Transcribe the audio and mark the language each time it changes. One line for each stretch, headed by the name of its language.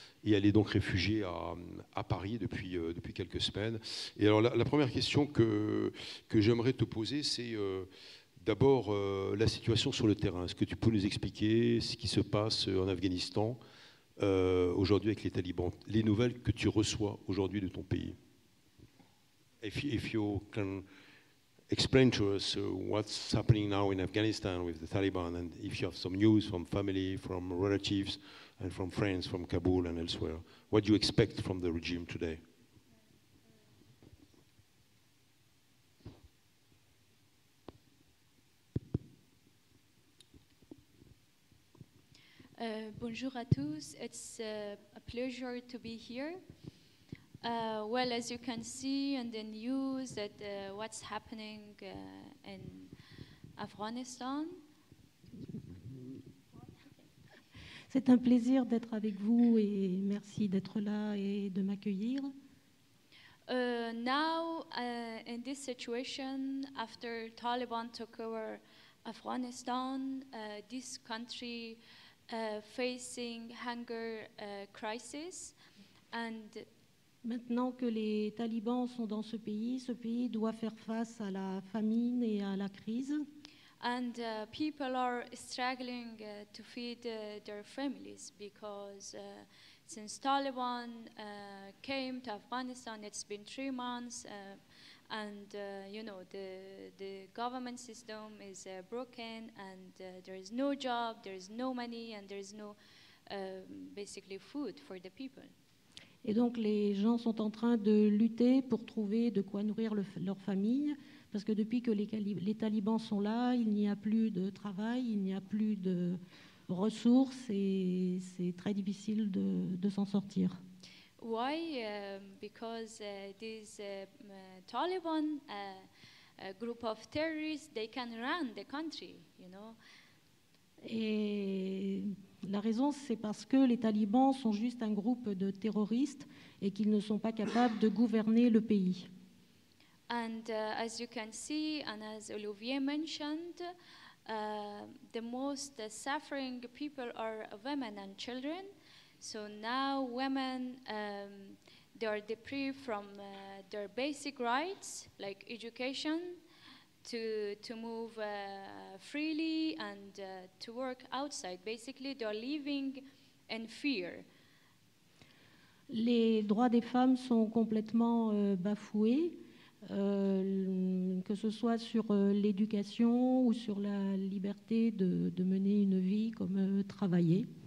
French: Et elle est donc réfugiée à Paris depuis quelques semaines. Et alors, la première question que j'aimerais te poser, c'est. D'abord, la situation sur le terrain. Est-ce que tu peux nous expliquer ce qui se passe en Afghanistan aujourd'hui avec les talibans? Les nouvelles que tu reçois aujourd'hui de ton pays.
English: If you can explain to us what's happening now in Afghanistan with the Taliban, and if you have some news from family, from relatives, and from friends from Kabul and elsewhere, what do you expect from the regime today?
French: Bonjour à tous.
English: It's a pleasure to be here. Well, as you can see in the news that what's happening in Afghanistan.
French: C'est un plaisir d'être avec vous et merci d'être là et de m'accueillir.
English: Now, in this situation, after Taliban took over Afghanistan, this country facing hunger crisis, and
French: maintenant que les talibans sont dans ce pays doit faire face à la famine et à la crise.
English: And people are struggling to feed their families because since Taliban came to Afghanistan, it's been 3 months, and you know the government system is broken, and there is no job, there is no money, and there is no basically food for the people.
French: Et donc les gens sont en train de lutter pour trouver de quoi nourrir leur famille, parce que depuis que les talibans sont là, il n'y a plus de travail, il n'y a plus de ressources, et c'est très difficile de s'en sortir.
English: Why? Because these Taliban, a group of terrorists, they can run the country, you know.
French: Et la raison, c'est parce que les talibans sont juste un groupe de terroristes et qu'ils ne sont pas capables de gouverner le pays.
English: And as you can see, and as Olivier mentioned, the most suffering people are women and children. So now women, they are deprived from their basic rights, like education, to move freely and to work outside. Basically, they are living in fear.
French: Les droits des femmes sont complètement bafoués, que ce soit sur l'éducation ou sur la liberté de mener une vie comme travailler.